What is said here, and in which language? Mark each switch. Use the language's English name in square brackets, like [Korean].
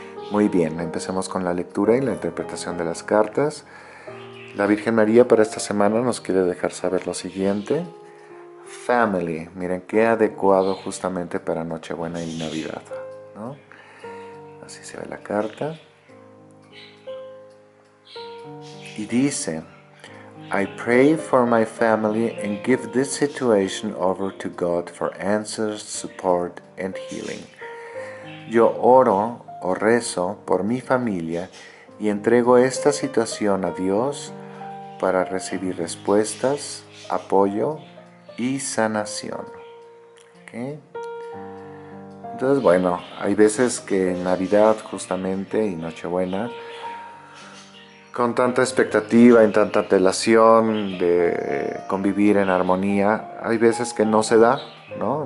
[Spanish] Muy bien, empecemos con la lectura y la interpretación de las cartas. La Virgen María para esta semana nos quiere dejar saber lo siguiente. Family, miren qué adecuado justamente para Nochebuena y Navidad, ¿no? así se ve la carta. Y dice, [English] I pray for my family and give this situation over to God for answers, support and healing. [Spanish] Yo oro o rezo por mi familia y entrego esta situación a Dios para recibir respuestas, apoyo y sanación. ¿Okay? Entonces, bueno, hay veces que en Navidad justamente y Nochebuena, con tanta expectativa y tanta apelación de convivir en armonía, hay veces que no se da, ¿no?